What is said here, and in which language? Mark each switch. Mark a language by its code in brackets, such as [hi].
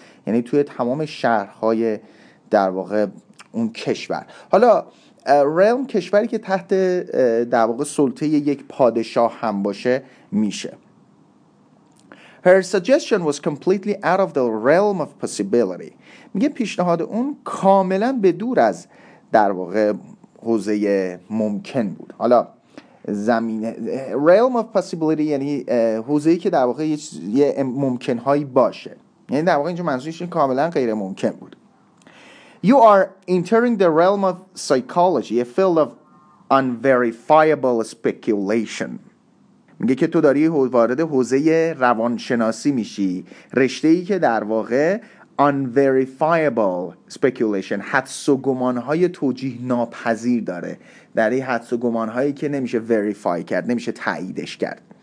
[fa] یعنی توی تمام شهرهای در واقع اون کشور. حالا realm کشوری که تحت در واقع سلطه یک پادشاه هم باشه میشه. [en] Her suggestion was completely out of the realm of possibility. [fa] میگه پیشنهاد اون کاملا به دور از در واقع حوزه ممکن بود. حالا زمینه [en] realm of possibility [fa] یعنی حوزه‌ای که در واقع یه ممکن‌هایی باشه، یعنی در واقع اینجا منظورش این کاملا غیر ممکن بود. [en] You are entering the realm of psychology, a field of unverifiable speculation. [fa] میگه که تو داری وارد حوزه روانشناسی میشی، رشته ای که در واقع [en] unverifiable speculation، [fa] حدس و گمانهای توجیه ناپذیر داره، در این حدس و گمانهایی که نمیشه verify کرد، نمیشه تاییدش کرد.